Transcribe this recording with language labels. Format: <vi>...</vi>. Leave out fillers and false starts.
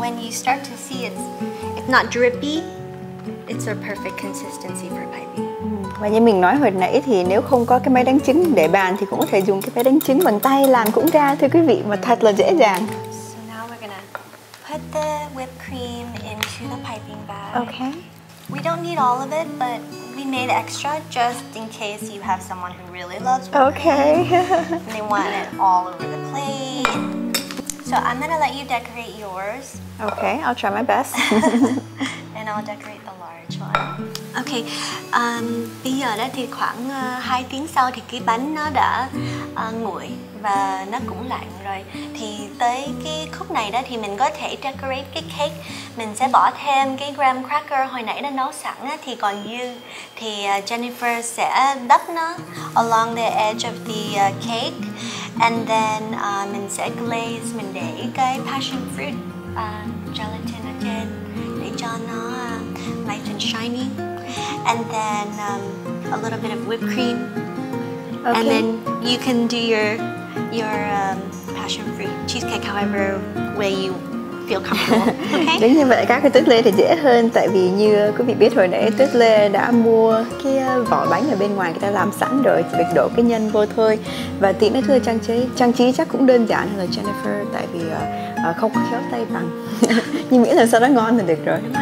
<en>Start to see it's not drippy, it's a perfect consistency for piping.</en> <vi>Và như mình nói hồi nãy thì nếu không có cái máy đánh trứng để bàn thì cũng có thể dùng cái máy đánh trứng bằng tay làm cũng ra thưa quý vị, mà thật là dễ dàng.</vi> <en>So now we're gonna put the whipped cream into the piping bag. Okay. We don't need all of it, but we made extra just in case you have someone who really loves whipped okay. cream. Okay. They want it all over the plate. So I'm gonna let you decorate yours. Okay, I'll try my best. And I'll decorate the large one.</en> <vi>Okay, bây giờ đó thì khoảng 2 tiếng sau thì cái bánh nó đã nguội và nó cũng lạnh rồi. Thì tới cái khúc này đó thì mình có thể decorate cái cake. Mình sẽ bỏ thêm cái graham cracker hồi nãy đã nấu sẵn thì còn dư. Thì Jenifer sẽ đắp nó</vi> <en>along the edge of the cake. And then</en> <vi>mình sẽ glaze, mình để cái passion fruit gelatin ở trên để cho nó</vi> <en>nice and shiny. And then a little bit of whipped cream. Okay. And then you can do your passion fruit cheesecake however way you feel comfortable.</en> <vi>Okay? Đến như vậy các cái tuyết lê thì dễ hơn, tại vì như quý vị biết hồi nãy tuyết lê đã mua cái vỏ bánh ở bên ngoài người ta làm sẵn rồi, chỉ việc đổ cái nhân vô thôi. Và tí nữa thưa trang trí chắc cũng đơn giản hơn là Jenifer, tại vì không có khéo tay bằng. Nhưng miễn là sau đó ngon là được rồi.</vi>